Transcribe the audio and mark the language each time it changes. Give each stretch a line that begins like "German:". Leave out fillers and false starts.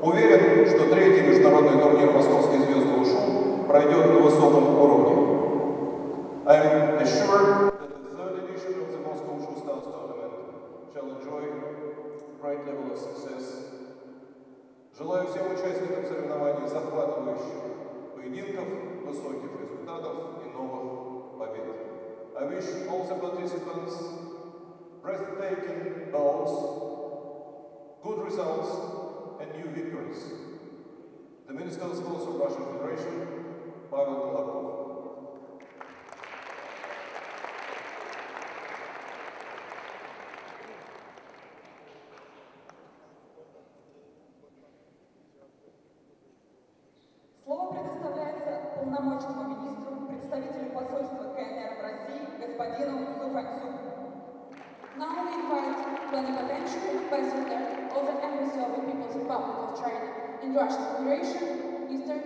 Russian: Уверен, что третий международный турнир Московской звезды Ушу пройдет на высоком уровне.
English: I am assured that the third edition of the Moscow Ushu Stars Tournament shall enjoy great level of success.
Russian: Желаю всем участникам соревнований захватывающих поединков, высоких результатов и новых побед.
English: I wish all the participants breathtaking bouts, good results and new victories. The Minister of Sports of Russian Federation, Павел Колобков.
Russian: уполномоченному министру, представителю посольства КНР в России, господину Су Фэнсу.
English: Now we invite plenipotentiary ambassador of the Embassy of the People's Republic of China in Russian Federation, Mr.